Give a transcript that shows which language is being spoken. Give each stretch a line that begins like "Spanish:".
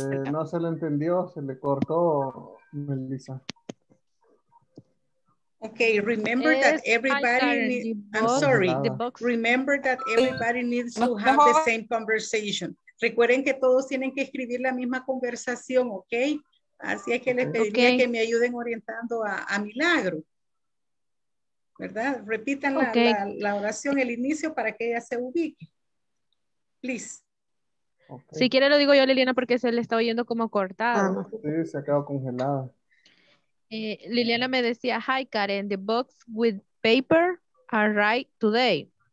Spanish: No se le entendió, se le cortó, Melissa.
English: Okay, remember that everybody remember that everybody needs to have the same conversation.
Spanish: Recuerden que todos tienen que escribir la misma conversación, ¿ok? Así es que les pediría que me ayuden orientando a Milagro. ¿Verdad? Repitan la oración, el inicio, para que ella se ubique.
English: Please. Okay.
Spanish: Si quiere lo digo yo, Liliana, porque se le está oyendo como cortado. Sí, se ha quedado congelada. Liliana me decía,
English: hi Karen, the box with paper arrived today.